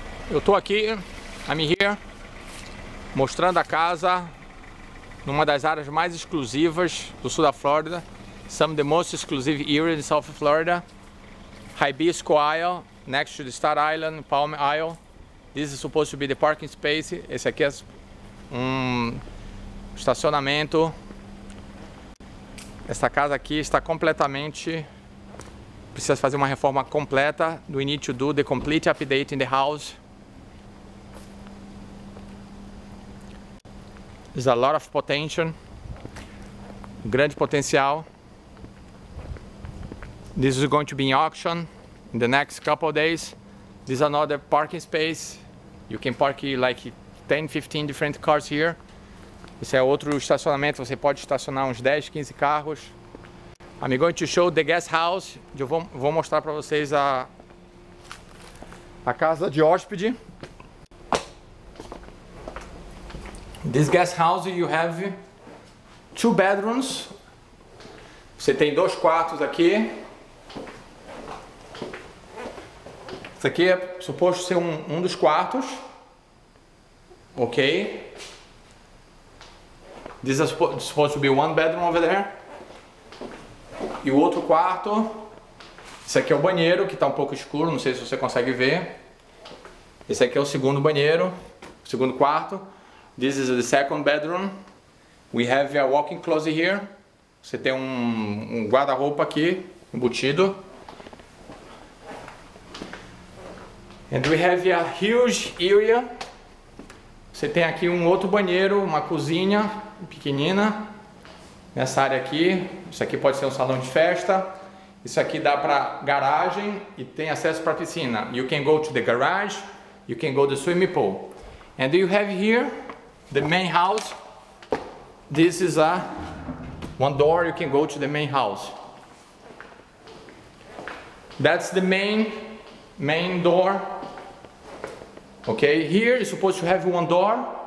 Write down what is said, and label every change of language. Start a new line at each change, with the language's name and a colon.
Portuguese: Eu tô aqui,
English: I'm here,
Portuguese: mostrando a casa numa das áreas mais exclusivas do sul da Flórida.
English: Some of the most exclusive areas in South Florida. Hibiscus Isle, next to the Star Island, Palm Isle. This is supposed to be the parking space.
Portuguese: Esse aqui é um estacionamento. Essa casa aqui está completamente... Precisa fazer uma reforma completa.
English: We need to do the complete update in the house. There's a lot of potential.
Portuguese: Grande potencial.
English: This is going to be in auction in the next couple of days. This is another parking space. You can park like 10, 15 different cars here.
Portuguese: Esse é outro estacionamento, você pode estacionar uns 10, 15 carros.
English: I'm going to show the guest house.
Portuguese: Eu vou mostrar para vocês a casa de hóspede.
English: This guest house, you have two bedrooms.
Portuguese: Você tem dois quartos aqui. Isso aqui é suposto ser um dos quartos. Ok.
English: This is supposed to be one bedroom over there.
Portuguese: E o outro quarto. Esse aqui é o banheiro, que está um pouco escuro, não sei se você consegue ver. Esse aqui é o segundo banheiro, o segundo quarto.
English: This is the second bedroom. We have a walk-in closet here.
Portuguese: Você tem um guarda-roupa aqui, embutido.
English: And we have a huge area.
Portuguese: Você tem aqui um outro banheiro, uma cozinha pequenina. Nessa área aqui, isso aqui pode ser um salão de festa. Isso aqui dá para garagem e tem acesso para piscina.
English: You can go to the garage, you can go to the swimming pool. And you have here the main house. This is a one door, you can go to the main house. That's the main door. Okay, here you're supposed to have one door.